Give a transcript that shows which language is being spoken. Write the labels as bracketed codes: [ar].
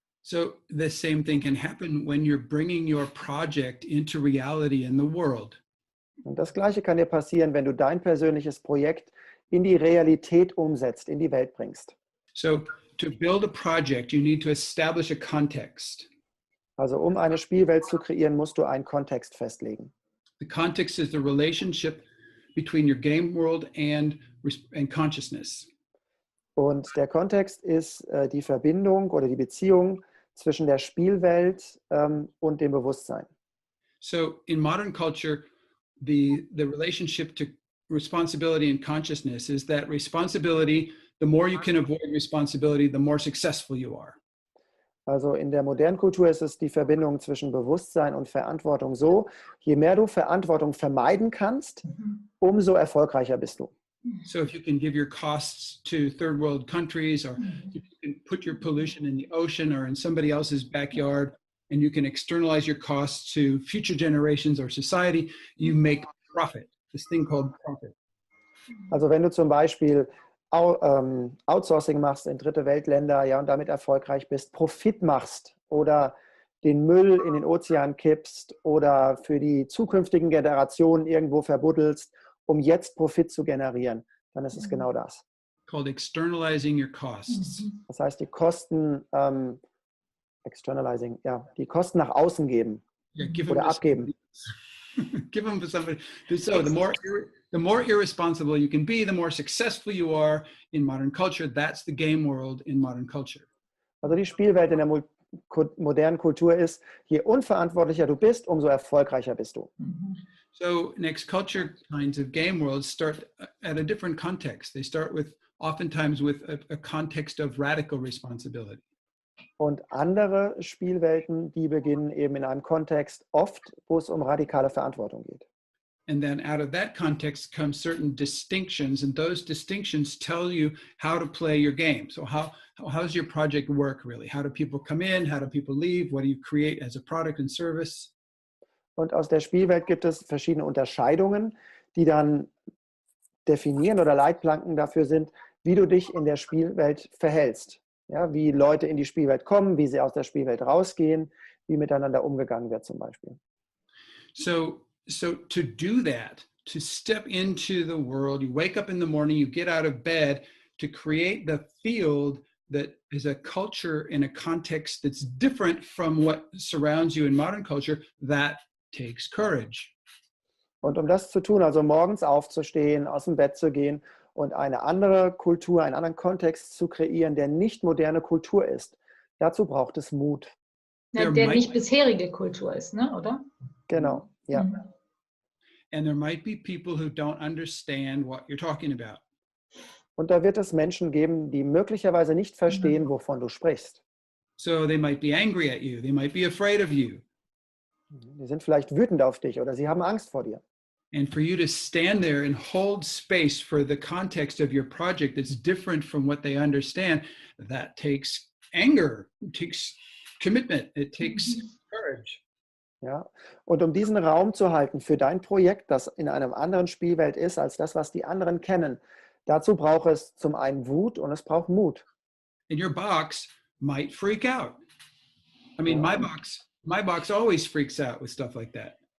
[en] So the same thing can happen when you're bringing your project into reality in the world. [de] Und das Gleiche kann dir passieren, wenn du dein persönliches Projekt in die Realität umsetzt, in die Welt bringst. [en] So to build a project, you need to establish a context. [de] Also um eine Spielwelt zu kreieren, musst du einen Kontext festlegen. [en] The context is the relationship between your game world and consciousness. [de] Und der Kontext ist die Verbindung oder die Beziehung zwischen der Spielwelt und dem Bewusstsein. [en] So in modern culture, the relationship to responsibility and consciousness is that responsibility, the more you can avoid responsibility, the more successful you are. [de] Also in der modernen Kultur ist es die Verbindung zwischen Bewusstsein und Verantwortung so, je mehr du Verantwortung vermeiden kannst, umso erfolgreicher bist du. [en] So if you can give your costs to third world countries or you can put your pollution in the ocean or in somebody else's backyard and you can externalize your costs to future generations or society, you make profit. This thing called profit. [de] Also wenn du zum Beispiel Outsourcing machst in dritte Weltländer, ja, und damit erfolgreich bist, Profit machst oder den Müll in den Ozean kippst oder für die zukünftigen Generationen irgendwo verbuddelst, um jetzt Profit zu generieren, dann ist es genau das. [en] Called externalizing your costs. [de] Das heißt, die Kosten, externalizing, ja, die Kosten nach außen geben, [en] yeah, give [de] oder them abgeben. [en] Give them to somebody. So the more irresponsible you can be, the more successful you are in modern culture. That's the game world in modern culture. [de] Also die Spielwelt in der modernen Kultur ist, je unverantwortlicher du bist, umso erfolgreicher bist du. [en] So next culture kinds of game worlds start at a different context. They start with oftentimes with a context of radical responsibility. [de] Und andere Spielwelten, die beginnen eben in einem Kontext, oft wo es um radikale Verantwortung geht. [en] And then out of that context come certain distinctions, and those distinctions tell you how to play your game. So how does your project work really? How do people come in? How do people leave? What do you create as a product and service? [de] Und aus der Spielwelt gibt es verschiedene Unterscheidungen, die dann definieren oder Leitplanken dafür sind, wie du dich in der Spielwelt verhältst. Ja, wie Leute in die Spielwelt kommen, wie sie aus der Spielwelt rausgehen, wie miteinander umgegangen wird zum Beispiel. [en] So to do that, to step into the world, you wake up in the morning, you get out of bed, to create the field that is a culture in a context that's different from what surrounds you in modern culture, that takes courage. [de] Und um das zu tun, also morgens aufzustehen, aus dem Bett zu gehen und eine andere Kultur, einen anderen Kontext zu kreieren, der nicht moderne Kultur ist, dazu braucht es Mut. Ja, der nicht bisherige Kultur ist, ne, oder? Genau, ja. [en] And there might be people who don't understand what you're talking about. [de] Und da wird es Menschen geben, die möglicherweise nicht verstehen, wovon du sprichst. [en] So they might be angry at you, they might be afraid of you. [de] Die sind vielleicht wütend auf dich oder sie haben Angst vor dir. [en] And for you to stand there and hold space for the context of your project that's different from what they understand, that takes anger, it takes commitment, it takes courage. [de] Ja, und um diesen Raum zu halten für dein Projekt, das in einem anderen Spielwelt ist als das, was die anderen kennen, dazu braucht es zum einen Wut und es braucht Mut. [en] And your box might freak out. I mean, my box always freaks out with stuff like that.